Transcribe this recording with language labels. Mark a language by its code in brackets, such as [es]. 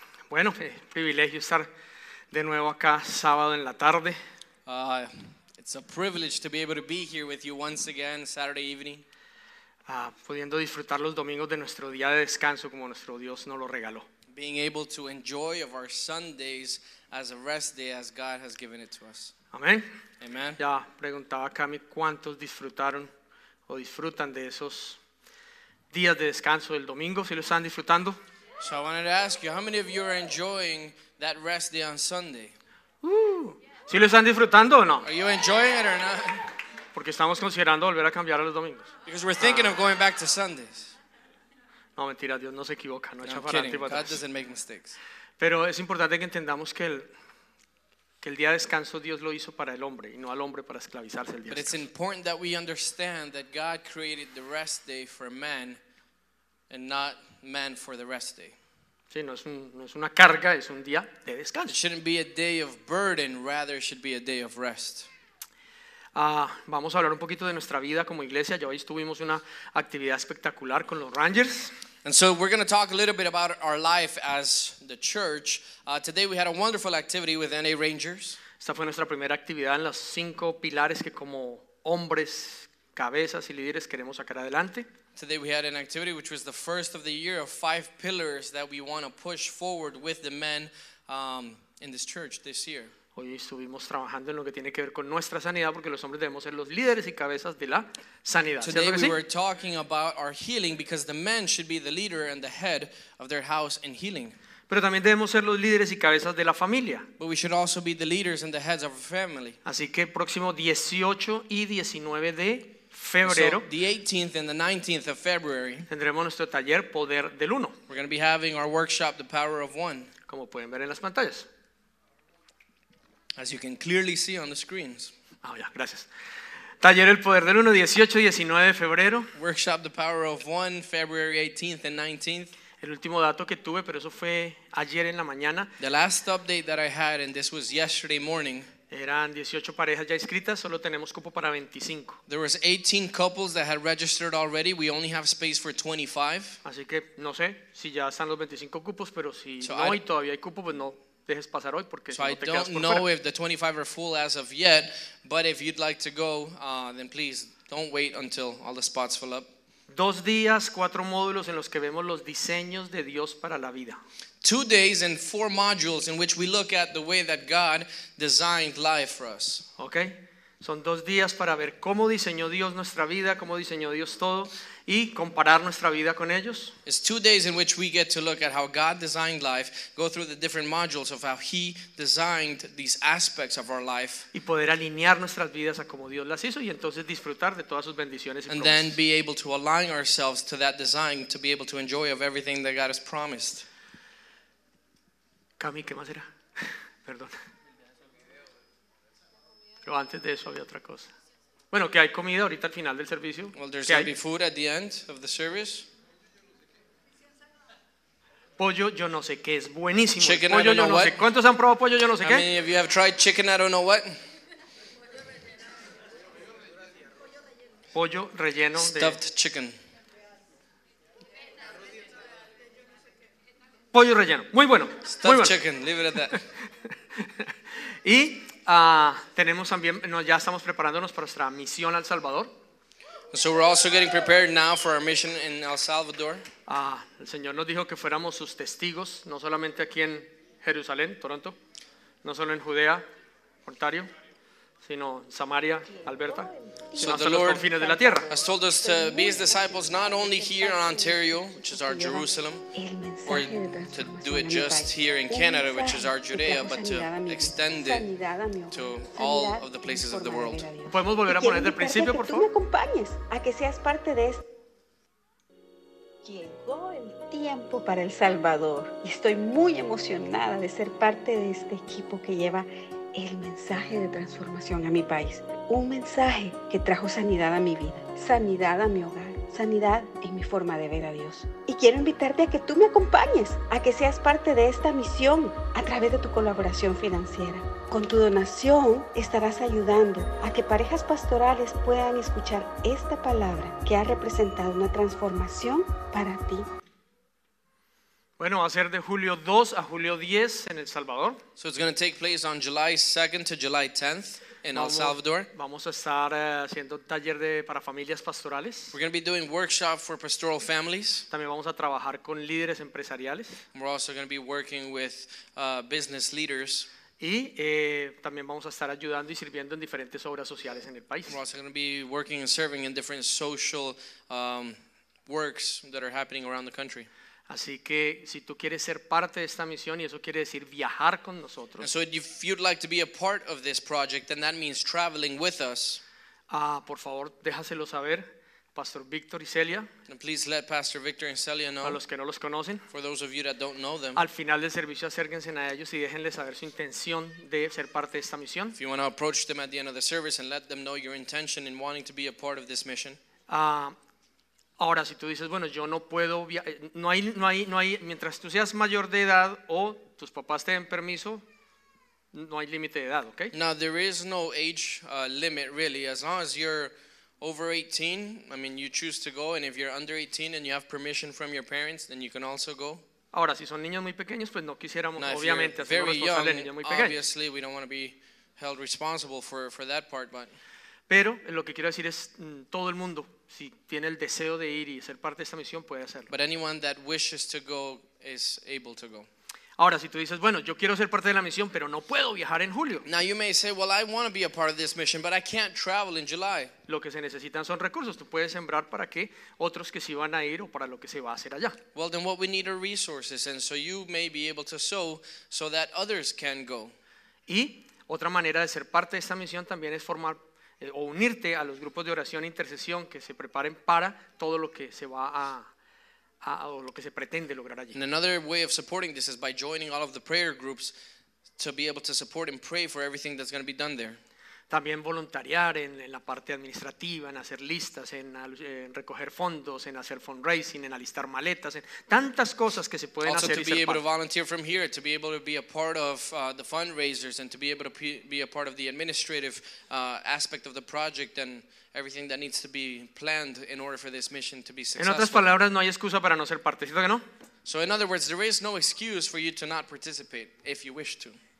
[es] Bueno, privilegio estar de nuevo acá sábado en la tarde. [en] It's a privilege to be able to be here with you once again Saturday evening. [es] Pudiendo disfrutar los domingos de nuestro día de descanso como nuestro Dios nos lo regaló. [en] Being able to enjoy of our Sundays as a rest day as God has given it to us. [es] Amén. [en] Amen. [es] Ya preguntaba acá a mí cuántos disfrutaron o disfrutan de esos días de descanso del domingo, si lo están disfrutando. [en] So I wanted to ask you, how many of you are enjoying that rest day on Sunday? [es] ¿Sí lo están disfrutando o no? [en] Are you enjoying it or not? [es] Porque estamos considerando volver a cambiar a los domingos. [en] Because we're thinking of going back to Sundays. [es] No, mentira, Dios no se equivoca. No, [en] I'm kidding. God doesn't make mistakes. [es] Pero es importante que entendamos que Que el día de descanso Dios lo hizo para el hombre y no al hombre para esclavizarse el día. [en] But it's important that we understand that God created the rest day for man and not man for the rest day. [es] Sí, no es una carga, es un día de descanso. [en] It shouldn't be a day of burden, rather it should be a day of rest. [es] Vamos a hablar un poquito de nuestra vida como iglesia. Ya hoy tuvimos una actividad espectacular con los Rangers. [en] And so we're going to talk a little bit about our life as the church. Today we had a wonderful activity with NA Rangers. [es] Esta fue nuestra primera actividad en los cinco pilares que como hombres, cabezas y líderes queremos sacar adelante. [en] Today we had an activity which was the first of the year of five pillars that we want to push forward with the men in this church this year. [es] Hoy estuvimos trabajando en lo que tiene que ver con nuestra sanidad porque los hombres debemos ser los líderes y cabezas de la sanidad. [en] Today we were talking about our healing because the men should be the leader and the head of their house in healing. [es] Pero también debemos ser los líderes y cabezas de la familia. [en] But we should also be the leaders and the heads of our family. [es] Así que próximo 18 y 19 de febrero. [en] So the 18th and the 19th of February. [es] Tendremos nuestro taller Poder del Uno. [en] We're going to be having our workshop The Power of One. [es] Como pueden ver en las pantallas. [en] As you can clearly see on the screens. Oh, yeah, gracias. [es] Taller El Poder del Uno, 18 y 19 de febrero. [en] Workshop The Power of One, February 18th and 19th. [es] El último dato que tuve, pero eso fue ayer en la mañana. [en] The last update that I had, and this was yesterday morning. [es] Eran 18 parejas ya inscritas, solo tenemos cupo para 25. [en] There was 18 couples that had registered already. We only have space for 25. [es] Así que no sé si ya están los 25 cupos, pero si so no y todavía hay cupo, pues no. Dejes pasar hoy porque [en] so [es] no te [en] I don't know if the 25 are full as of yet, but if you'd like to go, then please don't wait until all the spots fill up. [es] 2 días, 4 módulos en los que vemos los diseños de Dios para la vida. [en] 2 days and 4 modules in which we look at the way that God designed life for us. [es] Okay, son 2 días para ver cómo diseñó Dios nuestra vida, cómo diseñó Dios todo y comparar nuestra vida con ellos. [en] It's 2 days in which we get to look at how God designed life, go through the different modules of how he designed these aspects of our life. [es] Y poder alinear nuestras vidas a como Dios las hizo y entonces disfrutar de todas sus bendiciones y promesas. [en] And then be able to align ourselves to that design to be able to enjoy of everything that God has promised. [es] Cami, ¿qué más era? Perdón. Pero antes de eso había otra cosa. Bueno, que hay comida ahorita al final del servicio. [en] Well, there's going to be food at the end of the service. [es] Pollo, yo no sé qué, es buenísimo. [en] Chicken, [es] pollo, [en] I don't [es] yo [en] know [es] no [en] what. [es] Sé. ¿Cuántos han probado pollo, yo no sé [en] How [es] qué? [en] How many of you have tried chicken, I don't know what? [es] Pollo relleno. [en] Stuffed [es] de... [en] chicken. [es] Pollo relleno, muy bueno. [en] Stuffed [es] muy bueno. [en] Chicken, leave it at that. [es] Y... tenemos también, no, ya estamos preparándonos para nuestra misión al Salvador. [en] So we're also getting prepared now for our mission in El Salvador. [es] El Señor nos dijo que fuéramos sus testigos, no solamente aquí en Jerusalén, Toronto, no solo en Judea, Ontario, sino Samaria, Alberta, sino hasta los confines de la tierra. [en] Has told us to be his disciples not only here in Ontario, which is our Jerusalem, or to do it just here in Canada, which is our Judea, but to extend it to all of the places of the world. [es] ¿Podemos volver a poner desde el principio, por favor? Que tú me acompañes a que seas parte de esto. Llegó el tiempo para El Salvador y estoy muy emocionada de ser parte de este equipo que lleva el mensaje de transformación a mi país. Un mensaje que trajo sanidad a mi vida, sanidad a mi hogar, sanidad en mi forma de ver a Dios. Y quiero invitarte a que tú me acompañes, a que seas parte de esta misión a través de tu colaboración financiera. Con tu donación estarás ayudando a que parejas pastorales puedan escuchar esta palabra que ha representado una transformación para ti. Bueno, va a ser de julio 2 a julio 10 en El Salvador. [en] So it's going to take place on July 2nd to July 10th in El Salvador. [es] Vamos a estar haciendo taller de para familias pastorales. [en] We're going to be doing workshop for pastoral families. [es] También vamos a trabajar con líderes empresariales. [en] We're also going to be working with business leaders. [es] Y también vamos a estar ayudando y sirviendo en diferentes obras sociales en el país. [en] We're also going to be working and serving in different social works that are happening around the country. [es] Así que si tú quieres ser parte de esta misión y eso quiere decir viajar con nosotros. [en] And so if you'd like to be a part of this project, then that means traveling with us. [es] Por favor, déjaselo saber. Pastor Victor y Celia. [en] And please let Pastor Victor and Celia know. [es] A los que no los conocen. [en] For those of you that don't know them. [es] Al final del servicio acérquense a ellos y déjenles saber su intención de ser parte de esta misión. [en] If you want to approach them at the end of the service and let them know your intention in wanting to be a part of this mission. [es] Ahora si tú dices, bueno, yo no puedo no hay mientras tú seas mayor de edad o tus papás te den permiso, no hay límite de edad, ¿okay? [en] Now there is no age limit really, as long as you're over 18, I mean you choose to go, and if you're under 18 and you have permission from your parents, then you can also go. [es] Ahora si son niños muy pequeños, pues no quisiéramos, [en] now, [es] obviamente, [en] if you're very young, [es] muy pequeños. [en] Obviously we don't want to be held responsible for that part, but [es] pero lo que quiero decir es todo el mundo, si tiene el deseo de ir y ser parte de esta misión, puede hacerlo. [en] But anyone that wishes to go is able to go. [es] Ahora, si tú dices, bueno, yo quiero ser parte de la misión, pero no puedo viajar en julio. [en] Now you may say, well, I want to be a part of this mission, but I can't travel in July. [es] Lo que se necesitan son recursos. Tú puedes sembrar para que otros que sí van a ir o para lo que se va a hacer allá. [en] Well, then what we need are resources, and so you may be able to sow so that others can go. [es] Y otra manera de ser parte de esta misión también es formar o unirte a los grupos de oración e intercesión que se preparen para todo lo que se va a lo que se pretende lograr allí. [en] And another way of supporting this is by joining all of the prayer groups to be able to support and pray for everything that's going to be done there. [es] También voluntariar en la parte administrativa, en hacer listas, en recoger fondos, en hacer fundraising, en alistar maletas, en tantas cosas que se pueden [en] also [es] hacer. [en] Also to be able to volunteer from here, to be able to be a part of the fundraisers, and to be able to be a part of the administrative aspect of the project and everything that needs to be planned in order for this mission to be successful. [es] En otras palabras, no hay excusa para no ser parte, ¿cierto que no? [en] So in other words, there is no excuse for you to not participate if you wish to.